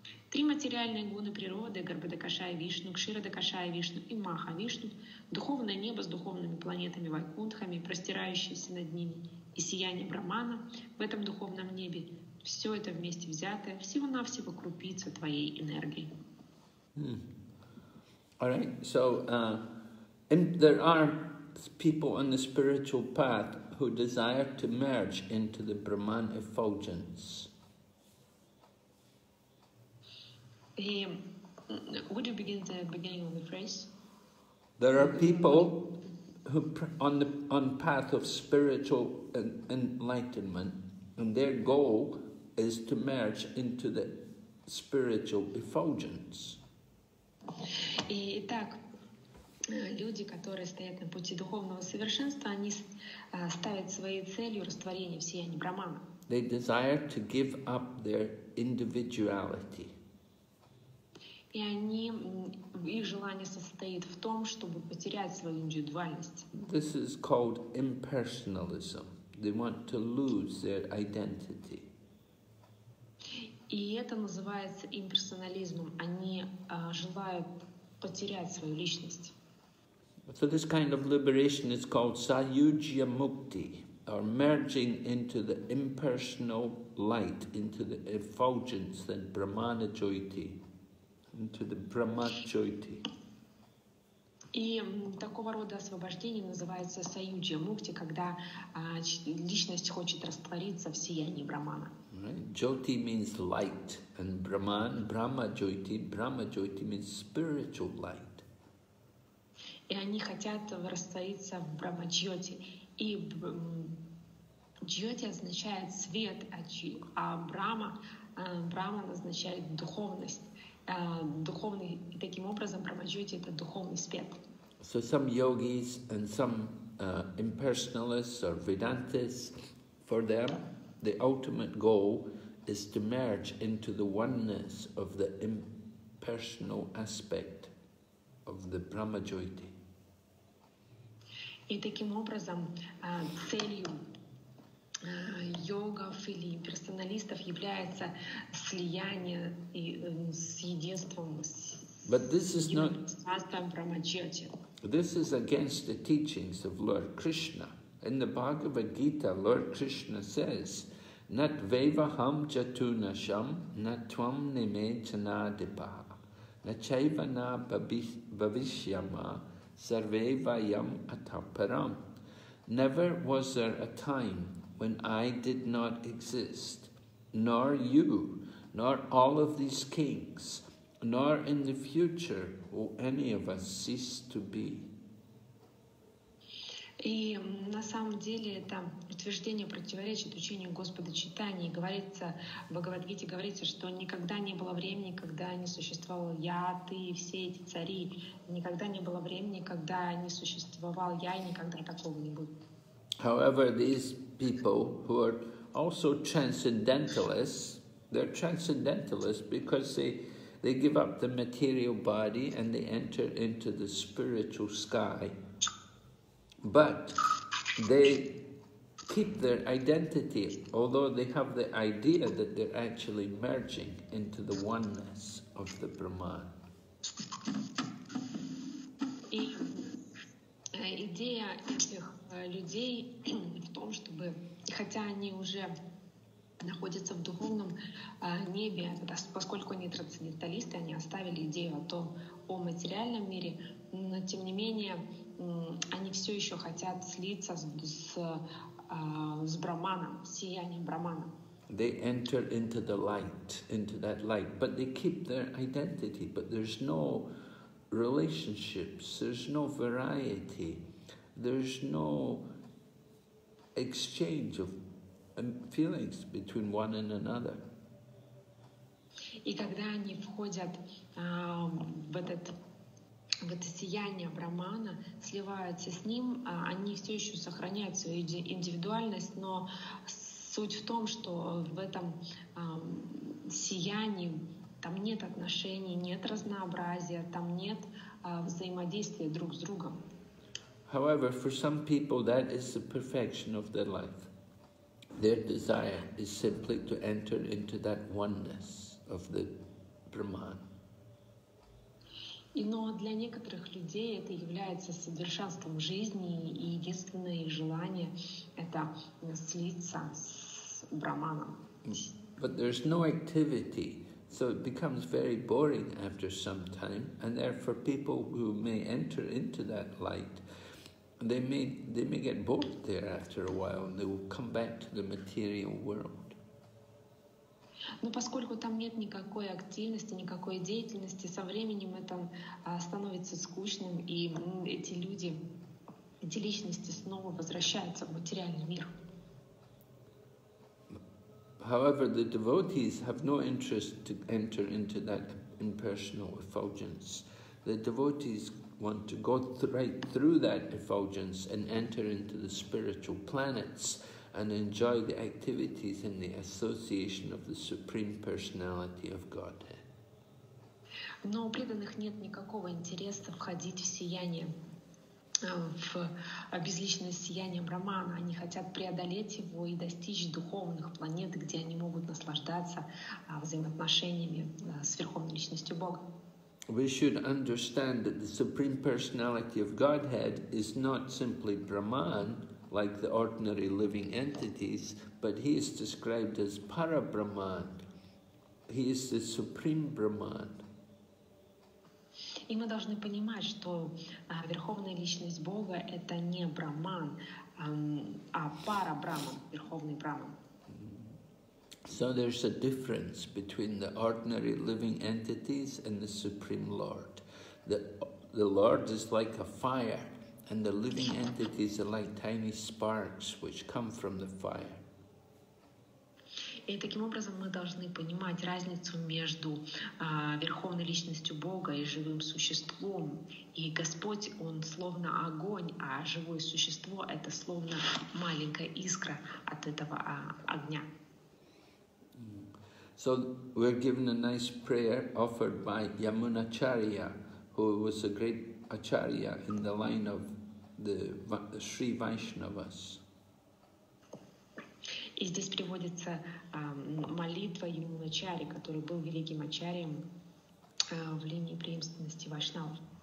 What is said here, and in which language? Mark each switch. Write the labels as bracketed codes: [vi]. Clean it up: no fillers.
[ru] 3 материальные гуны природы — Гарбхадакашая Вишну, Кширадакашая Вишну и Маха Вишну, духовное небо с духовными планетами Вайкунтхами, простирающиеся над ними, и сияние Брахмана в этом духовном небе, все это вместе взятое, всего-навсего крупица твоей энергии». [en] All right, so and there are people on the spiritual path who desire to merge into the Brahman effulgence. Would you begin the beginning of the phrase? There are people who on path of spiritual enlightenment, and their goal is to merge into the spiritual effulgence. [ru] Итак, люди, которые стоят на пути духовного совершенства, они ставят своей целью растворение в сиянии Брахмана. [en] They desire to give up their individuality. [ru] И они, их желание состоит в том, чтобы потерять свою индивидуальность. [en] This is called impersonalism. They want to lose their identity. [ru] И это называется имперсонализмом. Они желают потерять свою личность. [en] So this kind of liberation is called Sayujya Mukti, or merging into the impersonal light, into the effulgence, then Brahmana Jyoti, into the Brahma Jyoti. [ru] И такого рода освобождение называется Sayujya Mukti, когда личность хочет раствориться в сиянии Брахмана. [en] Right. Jyoti means light, and Brahman, Brahma Jyoti means spiritual light. [ru] И они хотят раствориться в Брахма Джоти, и Джоти означает свет, а Брахма означает духовность, духовный. И таким образом Брахма Джоти — это духовный свет. [en] So some yogis and some impersonalists or Vedantists, for them, the ultimate goal is to merge into the oneness of the impersonal aspect of the Brahma-jyoti. [ru] И таким образом, целью йогов или персоналистов является слияние и, с единством, с Сиддхастхом Брахмачарьей. [en] This is against the teachings of Lord Krishna. In the Bhagavad Gita, Lord Krishna says, [sa] Nat vevaham jatunasham, natvam nime chana dipaha, nachaiva na bhavishyama, sarve vayam ataparam. [en] Never was there a time when I did not exist, nor you, nor all of these kings, nor in the future will any of us cease to be. [ru] И на самом деле это утверждение противоречит учению Господа Чайтаньи. Говорится, в Бхагавад-гите говорится, что никогда не было времени, когда не существовал я, ты и все эти цари. Никогда не было времени, когда не существовал я, и никогда такого не будет. [en] However, these people who are also transcendentalists, they're transcendentalists because they give up the material body and they enter into the spiritual sky. But they keep their identity, although they have the idea that they're actually merging into the oneness of the Brahman. [ru] И идея этих людей в том, чтобы, хотя они уже находятся в духовном небе, поскольку они трансценденталисты, они оставили идею о материальном мире, но тем не менее они все еще хотят слиться с Брахманом, с сиянием Брахмана. [en] They enter into the light, into that light, but they keep their identity, but there's no relationships, there's no variety, there's no exchange of feelings between one and another. [ru] И когда они входят в это сияние Брахмана, сливаются с ним, они все еще сохраняют свою индивидуальность, но суть в том, что в этом сиянии там нет отношений, нет разнообразия, там нет взаимодействия друг с другом. [en] However, for some people that is the perfection of their life. Their desire is simply to enter into that oneness of the Brahman. [ru] Но для некоторых людей это является совершенством жизни, и единственное их желание — это слиться с Брахманом. [en] But there's no activity, so it becomes very boring after some time, and therefore people who may enter into that light, they may get bored there after a while, and they will come back to the material world. [ru] Но поскольку там нет никакой активности, никакой деятельности, со временем это становится скучным, и эти люди, эти личности снова возвращаются в материальный мир. [en] However, the devotees have no interest to enter into that impersonal effulgence. The devotees want to go right through that effulgence and enter into the spiritual planets and enjoy the activities and the association of the Supreme Personality of Godhead. [ru] Но у преданных нет никакого интереса входить в сияние, в безличное сияние Брахмана. Они хотят преодолеть его и достичь духовных планет, где они могут наслаждаться взаимоотношениями с Верховной Личностью Бога. [en] We should understand that the Supreme Personality of Godhead is not simply Brahman, like the ordinary living entities, but he is described as Parabrahman. He is the Supreme Brahman. [ru] И мы должны понимать, что Верховная Личность Бога — это не Брахман, а Парабрахман, Верховный Брахман. [en] So there's a difference between the ordinary living entities and the Supreme Lord. The Lord is like a fire, and the living entities are like tiny sparks which come from the fire. [ru] И таким образом мы должны понимать разницу между верховной личностью Бога и живым существом. И Господь, Он словно огонь, а живое существо — это словно маленькая искра от этого огня. [en] So we're given a nice prayer offered by Yamunacharya, who was a great acharya in the line of the Sri Vaishnavas. [ru] И здесь приводится молитва Ямуначари, который был великим ачарьем в линии преемственности Вайшнавов.